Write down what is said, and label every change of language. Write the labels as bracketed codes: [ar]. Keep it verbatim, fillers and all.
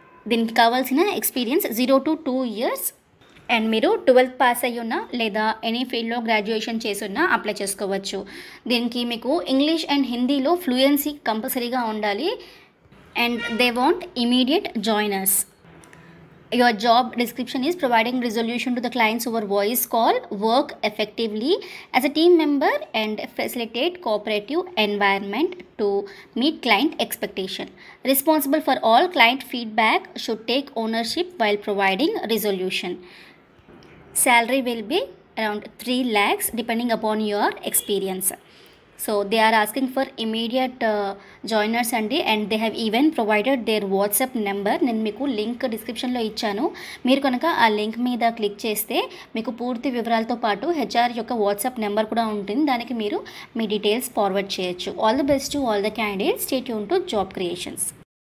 [te] దీనికి కావాల్సిన experience zero to two years and మీరు ట్వెల్త్ పాస్ అయ్యి ఉన్నా లేదా ఎనీ ఫీల్డ్లో గ్రాడ్యుయేషన్ చేసి ఉన్నా అప్లై చేసుకోవచ్చు. దీనికి మీకు ఇంగ్లీష్ అండ్ హిందీలో ఫ్లూయెన్సీ కంపల్సరీగా ఉండాలి [en] And they want immediate joiners. Your job description is providing resolution to the clients over voice call, work effectively as a team member and facilitate cooperative environment to meet client expectation. Responsible for all client feedback, should take ownership while providing resolution. Salary will be around three lakhs depending upon your experience. So they are asking for immediate uh, joiners అండి and they have even provided their WhatsApp number. [te] నేను మీకు link డిస్క్రిప్షన్లో ఇచ్చాను. మీరు కనుక ఆ link మీద click చేస్తే మీకు పూర్తి వివరాలతో పాటు హెచ్ఆర్ యొక్క వాట్సాప్ నెంబర్ కూడా ఉంటుంది. దానికి మీరు మీ డీటెయిల్స్ ఫార్వర్డ్ చేయొచ్చు. [en] All the best to all the candidates. Stay tune to job creations.